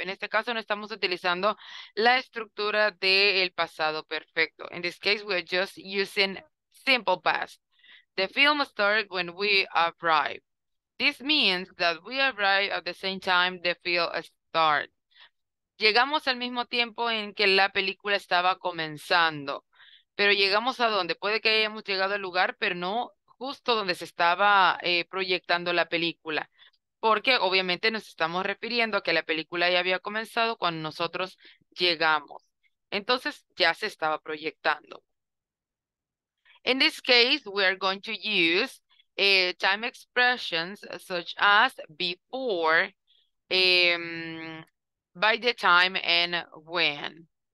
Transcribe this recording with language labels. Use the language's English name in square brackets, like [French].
[Spanish] En este caso, no estamos utilizando la estructura del pasado perfecto. [English] In this case, we're just using simple past. The film started when we arrived. This means that we arrived at the same time the film started. [Spanish] Llegamos al mismo tiempo en que la película estaba comenzando. Pero llegamos a donde. Puede que hayamos llegado al lugar, pero no justo donde se estaba proyectando la película. Porque obviamente nos estamos refiriendo a que la película ya había comenzado cuando nosotros llegamos. Entonces ya se estaba proyectando. [English] In this case, we are going to use time expressions such as before, by the time, and when.